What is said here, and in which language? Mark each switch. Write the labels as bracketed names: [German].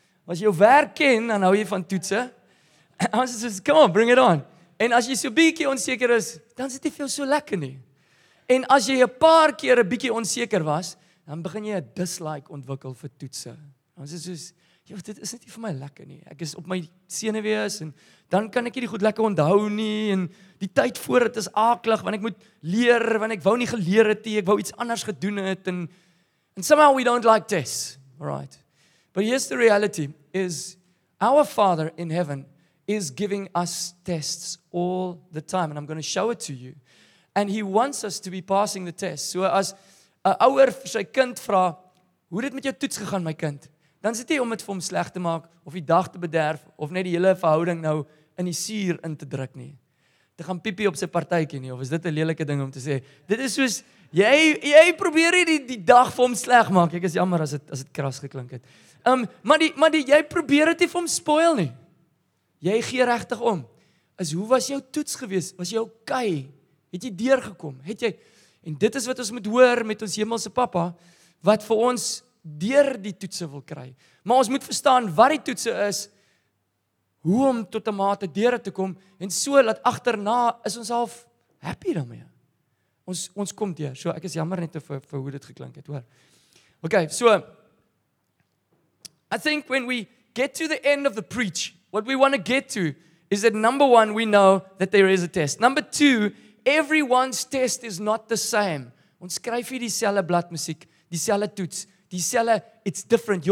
[Afrikaans] As jou werk ken, dan hou jy van toetse. Ons sê, [English] come on, bring it on. [Afrikaans] En as jy so 'n bietjie onseker is, dan sit jy veel so lekker nie. En as jy 'n paar keer 'n bietjie onseker was, dan begin jy 'n dislike ontwikkel vir toetse. Ons is soos, joh, dit is net nie vir my lekker nie. Ek is op my senuwees en dan kan ek nie goed lekker onthou nie en die tyd voor dit is aaklig want ek moet leer want ek wou nie geleer het nie, ek wou iets anders gedoen het en [English] somehow we don't like tests. Right. But here's the reality is our Father in heaven is giving us tests all the time and I'm going to show it to you. And he wants us to be passing the test. [Afrikaans] So as 'n ouer vir sy kind vra, hoe dit met jou toets gegaan my kind? Dan sit jy om dit vir hom sleg te maak of die dag te bederf of net die hele verhouding nou in die suur in te druk nie. Te gaan piepie op sy partytjie nie of is dit 'n lelike ding om te sê? Dit is soos jy probeer die dag vir hom sleg maak. Ek is jammer as dit kras geklink het. Maar jy probeer dit vir hom spoil nie. Jy gee regtig om. Is hoe was jou toets gewees? Was jy okay? Het jy deurgekom? Het jy? En dit is wat ons moet hoor met ons hemelse pappa, wat vir ons deur die toetse wil kry. Maar ons moet verstaan wat die toetse is, hoe om tot 'n mate deur te kom, en so dat agterna is ons half happy daarmee. Ons kom deur. So ek is jammer net vir hoe dit geklink het, hoor. [English] Okay, so, I think when we get to the end of the preach, what we want to get to is that number one, we know that there is a test. Number two, everyone's test is not the same. [Afrikaans] Ons skryf hier dieselfde bladmusiek, dieselfde toets, dieselfde, [English] it's different.